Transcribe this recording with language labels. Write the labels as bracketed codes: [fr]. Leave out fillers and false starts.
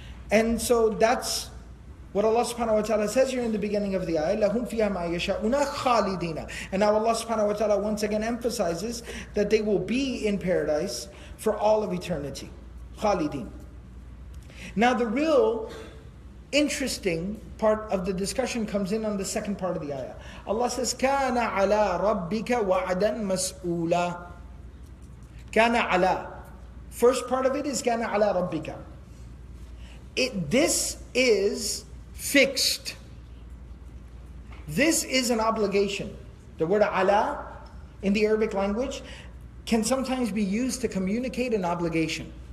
[en] And so that's what Allah subhanahu wa ta'ala says here in the beginning of the ayah, [ar] لَهُمْ فِيهَا مَا يَشَاءُونَ خَالِدِينَ. [en] And now Allah subhanahu wa ta'ala once again emphasizes that they will be in paradise for all of eternity. [ar] خَالِدِينَ. [en] Now the real interesting part of the discussion comes in on the second part of the ayah. Allah says, [ar] كَانَ عَلَىٰ رَبِّكَ وَعَدًا مَسْئُولًا. كَانَ عَلَىٰ. [en] First part of it is [ar] كَانَ عَلَىٰ رَبِّكَ. [en] This is fixed. This is an obligation. The word ala in the Arabic language can sometimes be used to communicate an obligation.